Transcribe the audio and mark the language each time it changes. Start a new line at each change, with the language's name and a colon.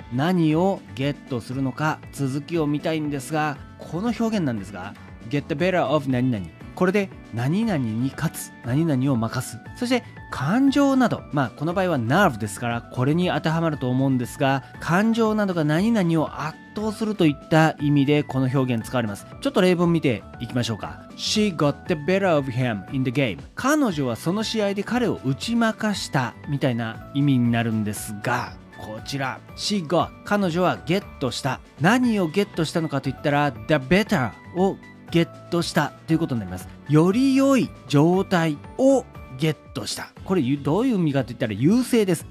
Japanese: 何をゲットするのか続きを見たいんですが、この表現なんですが、
English: get the better of
Japanese: 何々、これで何々に勝つ、何々を任す、そして感情など、まあこの場合は nerve ですからこれに当てはまると思うんですが、感情などが何々を圧倒するといった意味でこの表現使われます。ちょっと例文見ていきましょうか。
English: She got the better of him in the game。
Japanese: 彼女はその試合で彼を打ち負かしたみたいな意味になるんですが、こちら
English: She got
Japanese: 彼女はゲットした。何をゲットしたのかといったら
English: The better
Japanese: をゲットしたということになります。より良い状態をゲットした、これどういう意味かといったら優勢です。